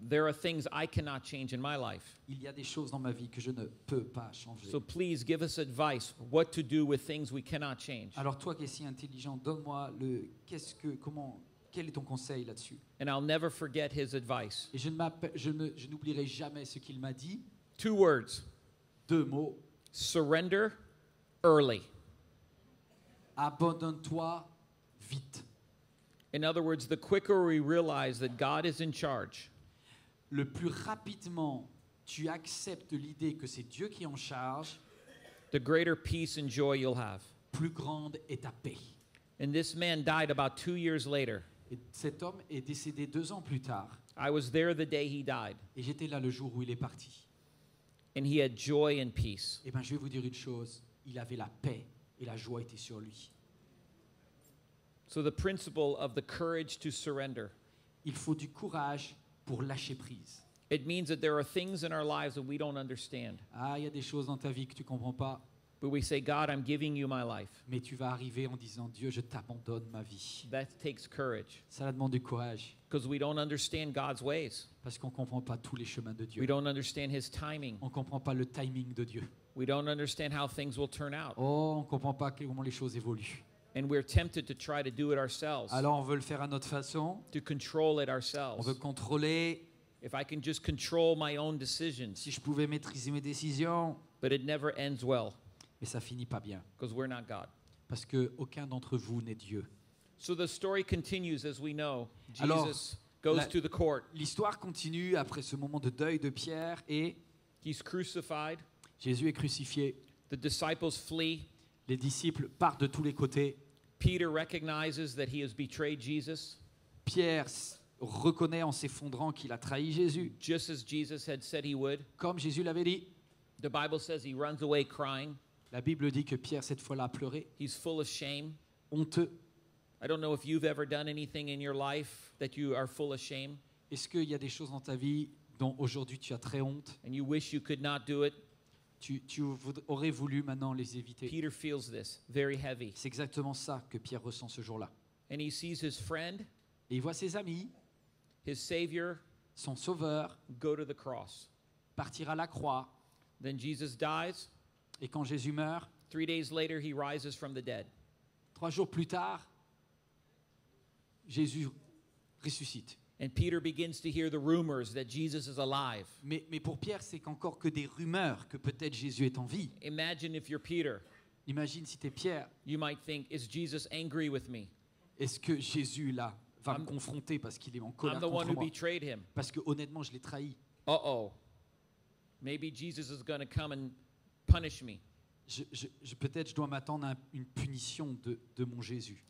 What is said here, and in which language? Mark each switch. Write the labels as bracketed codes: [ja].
[en] There are things I cannot change in my life. [fr] Il y a des choses dans ma vie que je ne peux pas changer. [en] So please give us advice what to do with things we cannot change. [fr] Alors toi qui es si intelligent, donne-moi le qu'est-ce que comment quel est ton conseil là-dessus? [en] And I'll never forget his advice. [fr] Et je n'oublierai jamais ce qu'il m'a dit. [en] Two words. [fr] Deux mots. [en] Surrender early. [fr] Abandonne-toi vite. [en] In other words, the quicker we realize that God is in charge, [fr] le plus rapidement tu acceptes l'idée que c'est Dieu qui est en charge, [en] the greater peace and joy you'll have. [fr] Plus grande est ta paix. [en] And this man died about 2 years later. [fr] Et cet homme est décédé 2 ans plus tard. [en] I was there the day he died. [fr] Et j'étais là le jour où il est parti. [en] And he had joy and peace. [fr] Et bien, je vais vous dire une chose. Il avait la paix et la joie était sur lui. [en] So the principle of the courage to surrender. [fr] Il faut du courage pour lâcher prise. [en] It means that there are things in our lives that we don't understand. [fr] Ah, il y a des choses dans ta vie que tu comprends pas. [en] But we say, God, I'm giving you my life. [fr] Mais tu vas arriver en disant, Dieu, je t'abandonne ma vie. [en] That takes courage. [fr] Ça demande du courage. [en] Because we don't understand God's ways. [fr] Parce qu'on comprend pas tous les chemins de Dieu. [en] We don't understand his timing. [fr] On comprend pas le timing de Dieu. [en] We don't understand how things will turn out. [fr] Oh, on comprend pas comment les choses évoluent. [en] And we're tempted to try to do it ourselves. [fr] Alors on veut le faire à notre façon. [en] To control it ourselves. [fr] On veut contrôler. [en] If I can just control my own decisions. [fr] Si je pouvais maîtriser mes décisions. [en] But it never ends well. [fr] Mais ça finit pas bien. [en] Because we're not God. [fr] Parce que aucun d'entre vous n'est Dieu. [en] So the story continues as we know. Jesus [fr] Alors, [en] goes to the court. [fr] L'histoire continue après ce moment de deuil de Pierre et [en] he's crucified. [fr] Jésus est crucifié. [en] The disciples flee. [fr] Les disciples partent de tous les côtés. [en] Peter recognizes that he has betrayed Jesus. [fr] Pierre reconnaît en s'effondrant qu'il a trahi Jésus. [en] Just as Jesus had said he would. [fr] Comme Jésus l'avait dit. [en] The Bible says he runs away crying. [fr] La Bible dit que Pierre cette fois-là a pleuré. [en] He's full of shame. [fr] Honteux. [en] I don't know if you've ever done anything in your life that you are full of shame. [fr] Est-ce qu'il y a des choses dans ta vie dont aujourd'hui tu as très honte? [en] And you wish you could not do it. [fr] Tu aurais voulu maintenant les éviter. [en] Peter feels this, very heavy. [fr] C'est exactement ça que Pierre ressent ce jour-là. [en] And he sees his friend, [fr] et il voit ses amis, [en] his savior, [fr] son sauveur, [en] go to the cross. [fr] Partir à la croix. [en] Then Jesus dies, [fr] et quand Jésus meurt, [en] 3 days later, he rises from the dead. [fr] 3 jours plus tard, Jésus ressuscite. [en] And Peter begins to hear the rumors that Jesus is alive. [fr] Mais pour Pierre, c'est encore que des rumeurs que peut-être Jésus est en vie. [en] Imagine if you're Peter. [fr] Imagine si t'es Pierre. [en] You might think, is Jesus angry with me? [fr] Est-ce que Jésus là va me confronter parce qu'il est en colère contre moi? [en] I'm the one who betrayed him. [fr] Parce que honnêtement, je l'ai trahi. Uh-oh. [en] Maybe Jesus is going to come and punish me. [fr] Peut-être je dois m'attendre à une punition de mon Jésus.